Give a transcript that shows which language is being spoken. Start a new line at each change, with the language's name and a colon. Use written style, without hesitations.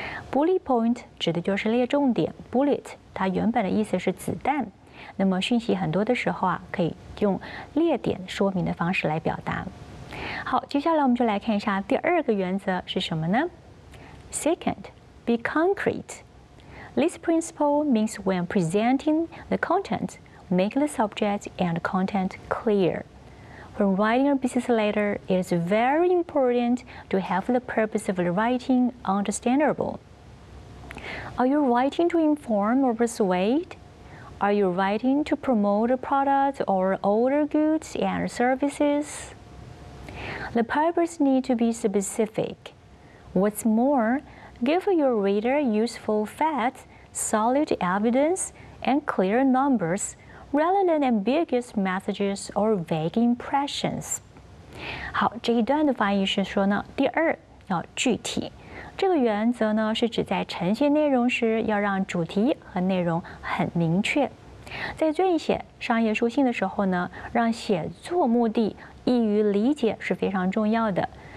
Chinese: Bullet point 指的就是列重点 ，bullet 它原本的意思是子弹，那么讯息很多的时候啊，可以用列点说明的方式来表达。好，接下来我们就来看一下第二个原则是什么呢？
English: Second, be concrete. This principle means when presenting the content, make the subject and content clear. When writing a business letter, it is very important to have the purpose of the writing understandable. Are you writing to inform or persuade? Are you writing to promote a product or other goods and services? The purpose needs to be specific. What's more, give your reader useful facts, solid evidence, and clear numbers, rather than ambiguous messages or vague impressions.
Chinese: 好，这一段的翻译是说呢，第二，要具体。这个原则呢，是指在呈现内容时，要让主题和内容很明确。在撰写商业书信的时候呢，让写作目的易于理解是非常重要的。